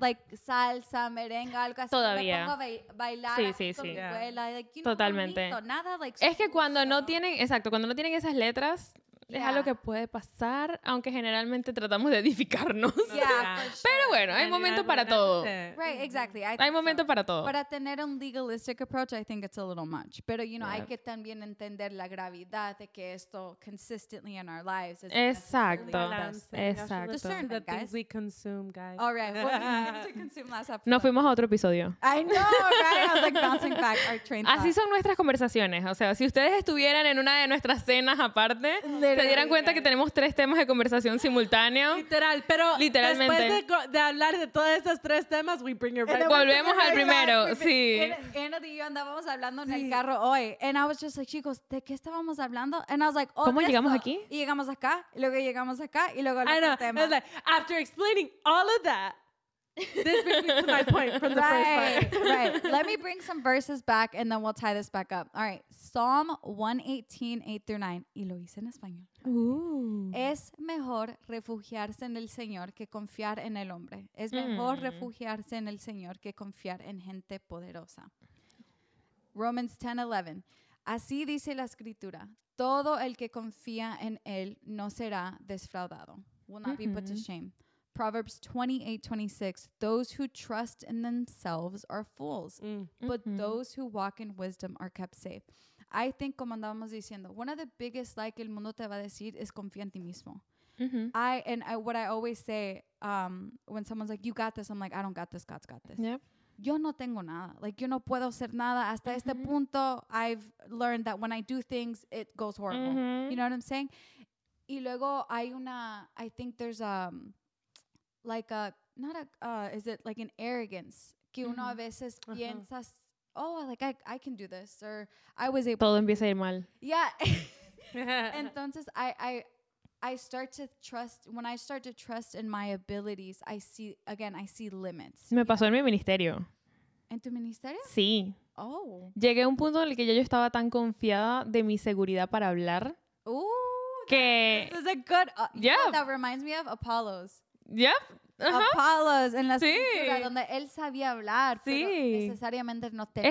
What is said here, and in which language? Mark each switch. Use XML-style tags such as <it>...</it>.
<es>Like, salsa, merengue, algo así. Todavía. Me pongo a bailar. Sí.</es> <en>Yeah. Abuela, like, you know,</en> <es>totalmente. Bonito, nada, like, es que cuando no tienen, cuando no tienen esas letras, es algo que puede pasar, aunque generalmente tratamos de edificarnos.</es> <en>Yeah, for sure.</en> <es>Pero bueno, hay momento para todo.</es> <en>Right, exactly.</en> <es>Hay momento para todo. Para tener un</es> <en>legalistic approach, I think it's a little much.</en> <es>Pero,</es> <en>you know,</en> <es>hay que también entender la gravedad de que esto</es> <en>consistently in our lives.</en> <es>Exacto. Exacto.</es> <en>The things we consume, guys. All right. What did we consume last episode?</en> <es>Nos fuimos a otro episodio.</es> <en>I know, right? I was like bouncing back our train thought.</en> <es>Así son nuestras conversaciones. O sea, si ustedes estuvieran en una de nuestras cenas aparte, se dieran cuenta que tenemos tres temas de conversación simultáneo. Literal, pero literalmente. Después de hablar de todos esos tres temas,</es> <en>we bring your back.</en> <es>Volvemos al primero, sí. Anna y yo andábamos hablando en el carro hoy,</es> <en>and I was just like,</en> <es>chicos, ¿de qué estábamos hablando?</es> <en>And I was like, oh,</en> <es>¿cómo llegamos aquí? Y llegamos acá, y luego llegamos acá, y luego al otro tema.</es> <en>I was like, after explaining all of that, this brings me to my point from the right, first part. Right, let me bring some verses back and then we'll tie this back up. All right, Psalm 118, 8 through 9.</en> <es>Y lo hice en español. Ooh. Es mejor refugiarse en el Señor que confiar en el hombre. Es mejor refugiarse en el Señor que confiar en gente poderosa. Romans 10, 11. Así dice la escritura. Todo el que confía en él no será defraudado.</es> <en>Will not be put to shame. Proverbs 28:26, those who trust in themselves are fools, but those who walk in wisdom are kept safe. I think, como andábamos diciendo, one of the biggest lies que el mundo te va a decir es confía en ti mismo. I what I always say when someone's like, you got this, I'm like, I don't got this, God's got this. Yep.</en> <es>Yo no tengo nada.</es> <en>Like,</en> <es>yo no puedo hacer nada. Hasta este punto,</es> <en>I've learned that when I do things, it goes horrible. You know what I'm saying?</en> <es>Y luego hay una,</es> <en>I think there's a... like a, not a, is it like an arrogance?</en> <es>Que uno a veces piensas,</es> <en>oh, like I can do this, or I was able.</en> <es>Todo empieza a ir mal.</es> <en>Yeah.</en> <es>Entonces,</es> <en>I start to trust, when I start to trust in my abilities, I see limits.</en> <es>Me pasó en mi ministerio. ¿En tu ministerio? Sí. Oh. Llegué a un punto en el que ya yo estaba tan confiada de mi seguridad para hablar. Ooh. Que.</es> <en>This is a good, yeah. That reminds me of Apollos. Yep.</en> <es>Apollos en la escritura donde él sabía hablar, pero necesariamente no tenía.</es>